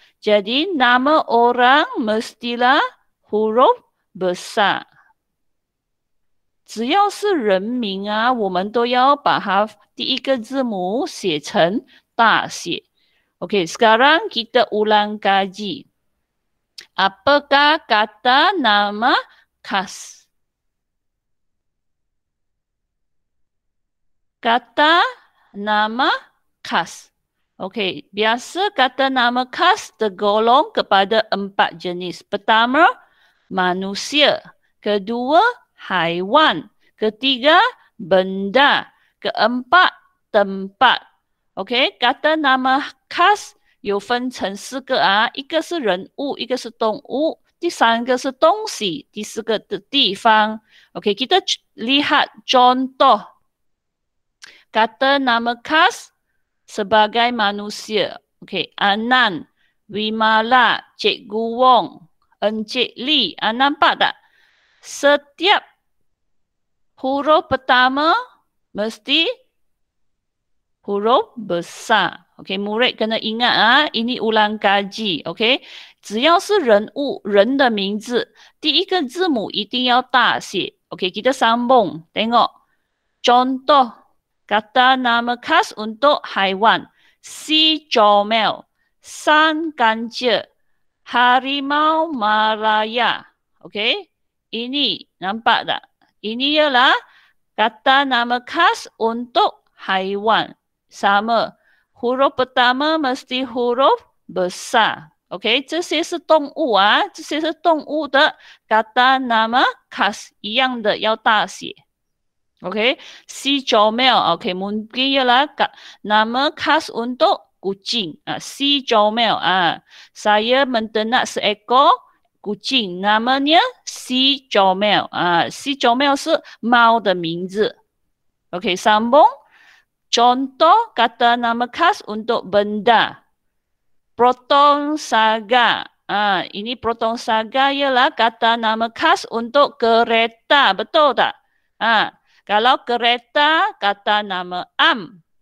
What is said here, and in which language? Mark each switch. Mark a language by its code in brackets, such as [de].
[ms] Jadi nama orang mestilah huruf besar. [zh] 只要是人名啊, 我们都要把它第一个字母写成大写. [ms] Okey, sekarang kita ulang kaji. Apakah kata nama khas? Kata nama khas. Okey, biasa kata nama khas tergolong kepada empat jenis. Pertama, manusia. Kedua, haiwan. Ketiga, benda. Keempat, tempat. [zh] Okey, kata nama khas 有分成四个, 一个是人物, 一个是动物, 第三个是东西, 第四个的地方. [ms] Okey, kita lihat contoh. Kata nama khas sebagai manusia. Okey, Anan, Wimala, Cikgu Wong, Encik Li. Nampak tak? Setiap huruf pertama mesti huruf besar. Okey, murid kena ingat ini ulang kaji. [zh] Okey, 只要是人物, 人的名字, 第一个字母一定要大写. [ms] Okey, kita sambung. Tengok. Contoh. Kata nama khas untuk haiwan. Si comel. San ganja. Harimau malaya. Okey. Ini nampak tak? Ini ialah kata nama khas untuk haiwan. Sama. Huruf pertama mesti huruf besar. Okey. [zh] ,这些是动物 这些是动物的. Kata nama khas 一样的要大写. [ms] Okey, si comel. Okey, mungkin ialah nama khas untuk kucing. Si comel. Saya menternak seekor kucing. Namanya si comel. [zh] Si comel 是猫的名字. [ms] Okey, sambung. Contoh kata nama khas untuk benda. Proton saga. Ini proton saga ialah kata nama khas untuk kereta. Betul tak? Kalau kereta, kata nama am.